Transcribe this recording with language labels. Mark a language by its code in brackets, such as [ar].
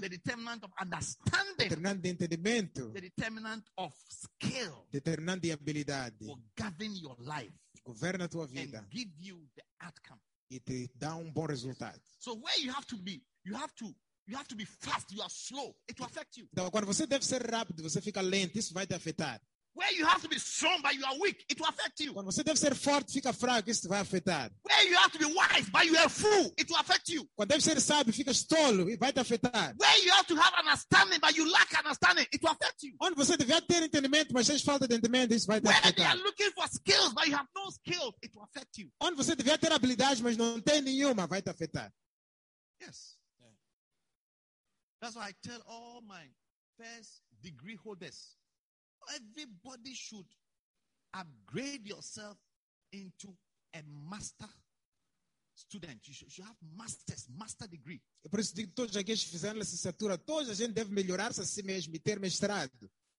[en] the determinant of understanding, [pt] determinant de entendimento, [en] the determinant of skill, [pt] determinant de habilidade, [en] will govern your life, [pt] governa tua vida, [en] and give you the outcome, [pt] e te dá bom resultado. [en] So where you have to be, you have to be fast. You are slow. It will affect you. [pt] Então, quando você deve ser rápido, você fica lento. Isso vai te afetar. [en] Where you have to be strong, but you are weak, it will affect you. [pt] Quando você deve ser forte, fica fraco, isso vai afetar. [en] Where you have to be wise, but you are fool, it will affect you. [pt] Quando deve ser sábio, fica tolo, vai te afetar. [en] Where you have to have understanding, but you lack understanding, it will affect you. [pt] Onde você deve ter entendimento, mas tens falta de entendimento, isso vai te [en] Where [pt] afetar. [en] Where you are looking for skills, but you have no skills, it will affect you. [pt] Onde você deve ter habilidades, mas não tem nenhuma, vai te afetar. [en] Yes. Yeah. That's why I tell all my first degree holders, everybody should upgrade yourself into a master student. You should have master degree. [pt] É por isso que todos aqueles que fizeram a licenciatura, toda a gente deve melhorar-se a si mesmo e ter mestrado.